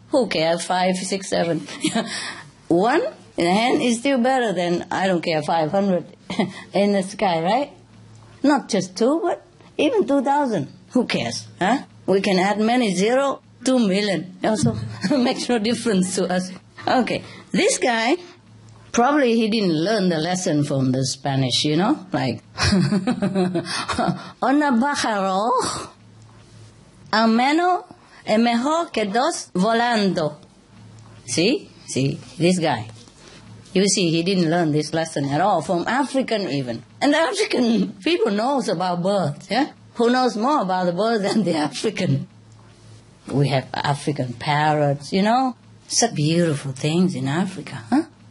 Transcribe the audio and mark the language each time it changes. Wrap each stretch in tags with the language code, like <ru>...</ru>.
<en>Who cares, five, six, seven? One in the hand is still better than, I don't care, 500 in the sky, right? Not just two, but even 2,000. Who cares, huh? We can add many zero, 2 million. Also makes no difference to us. Okay, this guy, probably he didn't learn the lesson from the Spanish, you know?</en> <es>Like, un pájaro, a mano es mejor que dos volando.</es> <en>See, this guy. You see, he didn't learn this lesson at all from African even. And the African people knows about birds, yeah? Who knows more about the birds than the African? We have African parrots, you know? Such beautiful things in Africa, huh?</en>